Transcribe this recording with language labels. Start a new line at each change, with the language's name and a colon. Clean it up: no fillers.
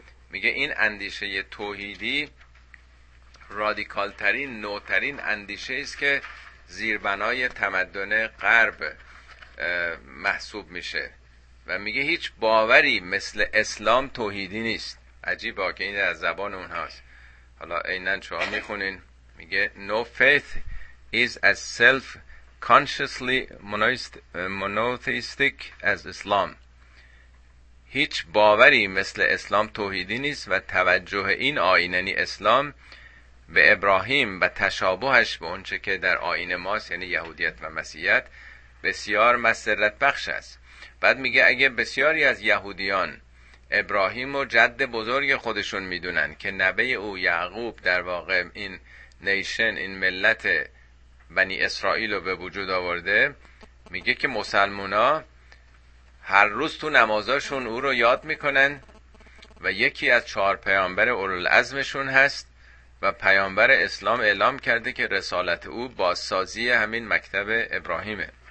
Persian: میگه این اندیشه توحیدی رادیکال ترین نوترین اندیشه است که زیربنای تمدن غرب محسوب میشه، و میگه هیچ باوری مثل اسلام توحیدی نیست. عجیبه که این از زبان اونهاست. حالا عیناً شما میخونین، میگه
English: no faith is as self consciously monotheistic as Islam.
Persian: هیچ باوری مثل اسلام توحیدی نیست و توجه این آیین یعنی اسلام به ابراهیم و تشابهش به اونچه که در آیین ماست یعنی یهودیت و مسیحیت بسیار مسرت بخش است. بعد میگه اگه بسیاری از یهودیان ابراهیم رو جد بزرگ خودشون میدونن که نبی او یعقوب در واقع این نیشن این ملت بنی اسرائیل رو به وجود آورده، میگه که مسلمونا هر روز تو نمازاشون او رو یاد میکنن و یکی از چهار پیامبر اولوالعزمشون هست و پیامبر اسلام اعلام کرده که رسالت او بازسازی همین مکتب ابراهیمه.